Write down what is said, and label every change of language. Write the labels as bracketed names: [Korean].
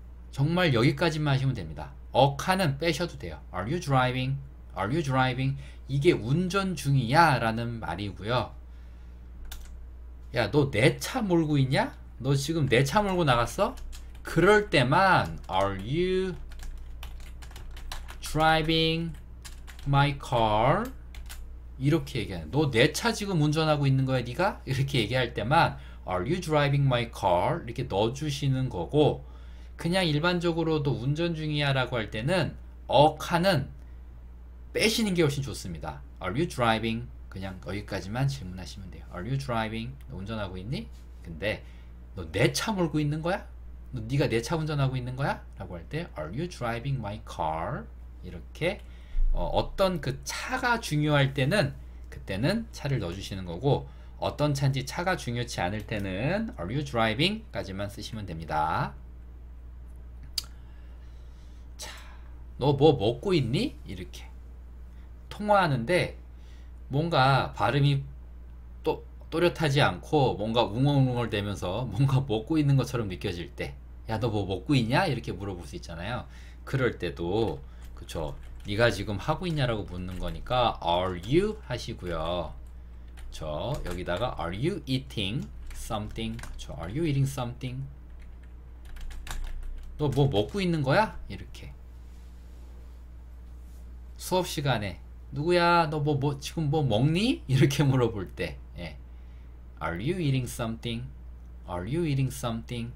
[Korean] 정말 여기까지만 하시면 됩니다. 억하는 빼셔도 돼요. [English] Are you driving? Are you driving? [Korean] 이게 운전 중이야라는 말이고요. 야, 너내차 몰고 있냐? 너 지금 내차 몰고 나갔어? 그럴 때만 [English] Are you driving my car? [Korean] 이렇게 얘기하는 너내차 지금 운전하고 있는 거야, 네가? 이렇게 얘기할 때만 [English] Are you driving my car? [Korean] 이렇게 넣어주시는 거고 그냥 일반적으로도 운전 중이야라고 할 때는 억하는 빼시는 게 훨씬 좋습니다. [English] Are you driving? [Korean] 그냥 여기까지만 질문하시면 돼요. [English] Are you driving? [Korean] 너 운전하고 있니? 근데 너내차 몰고 있는 거야? 너 네가 내차 운전하고 있는 거야? 라고 할 때, [English] Are you driving my car? [Korean] 이렇게 어떤 그 차가 중요할 때는 그때는 차를 넣어주시는 거고, 어떤 차인지 차가 중요치 않을 때는 [English] Are you driving? [Korean] 까지만 쓰시면 됩니다. 너뭐 먹고 있니? 이렇게 통화하는데 뭔가 발음이 또렷하지 않고 뭔가 웅얼웅얼대면서 뭔가 먹고 있는 것처럼 느껴질 때, 야, 너뭐 먹고 있냐? 이렇게 물어볼 수 있잖아요. 그럴 때도, 그쵸, 네가 지금 하고 있냐라고 묻는 거니까 [English] Are you? [Korean] 하시고요. 그쵸, 여기다가 [English] Are you eating something? [Korean] 그쵸, [English] Are you eating something? [Korean] 너뭐 먹고 있는 거야? 이렇게 수업 시간에 누구야? 너뭐뭐 지금 뭐 먹니? 이렇게 물어볼 때, 예. [English] Are you eating something? Are you eating something?